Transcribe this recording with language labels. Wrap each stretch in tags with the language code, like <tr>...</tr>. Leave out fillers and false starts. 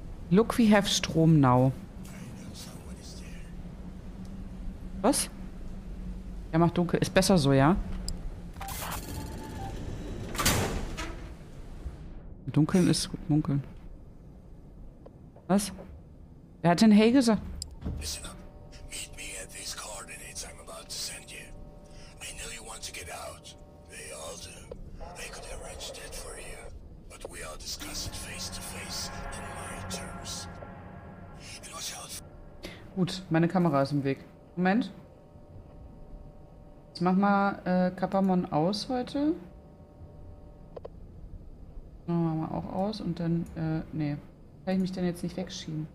<en>Look, we have Strom now.</en> <de>Was? Ja, macht dunkel. Ist besser so, ja? Dunkeln ist gut, munkeln. Was? Wer hat denn Hey gesagt?</de> <en>Listen up. Meet me at these coordinates I'm about to send you. I know you want to get out. They all do. They could arrange that for you. But we all discuss it face to face in my terms. And watch out.</en> <de>Gut, meine Kamera ist im Weg. Moment. Jetzt mach mal Kapamon aus heute. Machen wir mal auch aus und dann, nee. Kann ich mich denn jetzt nicht wegschieben?</de>